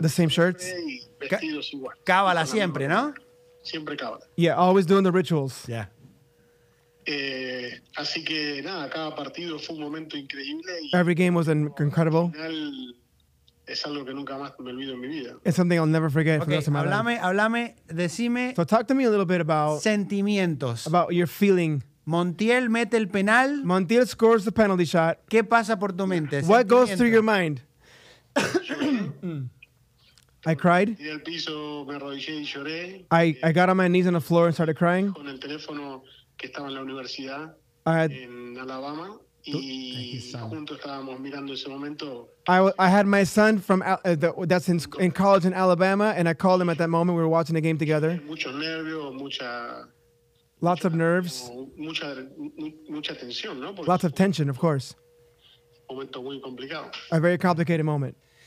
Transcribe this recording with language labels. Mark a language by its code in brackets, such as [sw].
[en] The same shirts. [es] Vestidos igual. Cábala siempre, ¿no? Siempre cábala. [en] Yeah, always doing the rituals. Yeah. [es] Así que nada, cada partido fue un momento increíble. [en] Every game was incredible. [es] Es algo que nunca más me olvido en mi vida. [en] It's something I'll never forget for the rest of my [es] life. Háblame, decime. [en] So talk to me a little bit about [es] sentimientos. [en] About your feeling. [es] Montiel mete el penal. [en] Montiel scores the penalty shot. [es] ¿Qué pasa por tu mente? [en] What goes through your mind? I cried. [es] El piso, me arrodillé y lloré. [en] I got on my knees on the floor and started crying. [es] Con el teléfono. Que estaba en la universidad en Alabama y juntos estábamos mirando ese momento. [en] I had my son from that's in college in Alabama and I called him at that moment. We were watching the game together. [es] Muchos nervios, [en] lots of nerves. [es] Mucha tensión, ¿no? [en] Lots of tension, of course. [es] Momento muy complicado. [en] A very complicated moment.